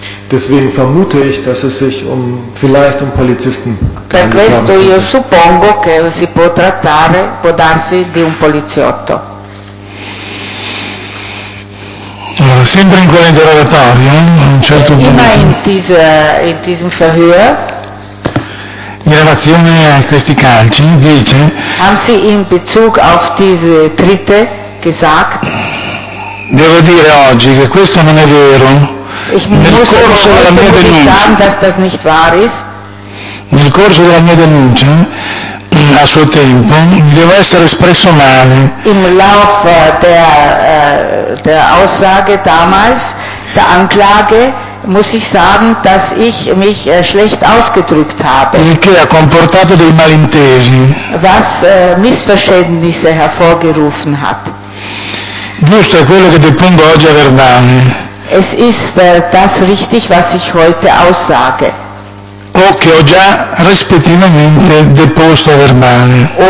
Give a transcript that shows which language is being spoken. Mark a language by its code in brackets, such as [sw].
[de] Deswegen vermute ich, dass es sich vielleicht Polizisten per handelt. [it] Questo io suppongo che si può trattare, può darsi, di un poliziotto. Allora, sempre in quell'interrogatorio, a un certo punto. [de] In diesem Verhör. [it] In relazione a questi calci, dice. [de] Haben Sie in Bezug auf diese Tritte gesagt? [it] Devo dire oggi che questo non è vero. Nel corso della mia denuncia, a suo tempo, mi devo essere espresso male. [de] Im Lauf der Aussage damals, der Anklage, muss ich sagen, dass ich mich schlecht ausgedrückt habe. [it] Il che ha comportato dei malintesi. [de] Was Missverständnisse hervorgerufen hat. [it] Giusto, è quello che depongo oggi a verbale. [de] Es ist das richtig, was ich heute aussage. [it] O che ho già rispettivamente deposto a verbale.